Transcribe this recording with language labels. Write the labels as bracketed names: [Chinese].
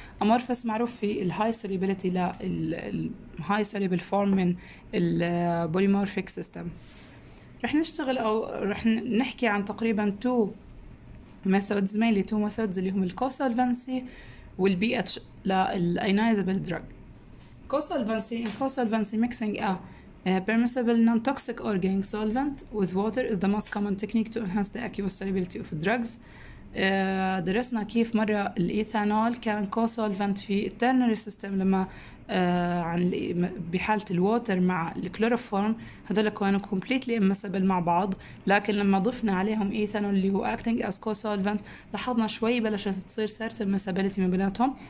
[Arabic] امورفس معروف في الهاي سوليبلتي للهاي سوليبل فورم من البوليمورفيك سيستم. رح نشتغل او رح نحكي عن تقريبا تو ميثودز، مينلي تو ميثودز اللي هم الكوسولفنسي والبي اتش للاينايزابل دراج. [English] Co-solvency in co-solvency mixing a permissible non-toxic organic solvent with water is the most common technique to enhance the aqueous solubility of drugs. [Arabic] درسنا كيف مرة الإيثانول كان co-solvent في الترنري سيستم لما عن بحالة الووتر مع الكلوروفورم، هذول كانوا completely immiscible مع بعض، لكن لما ضفنا عليهم إيثانول اللي هو acting as co-solvent لاحظنا شوي بلشت تصير certain immiscibility ما بيناتهم.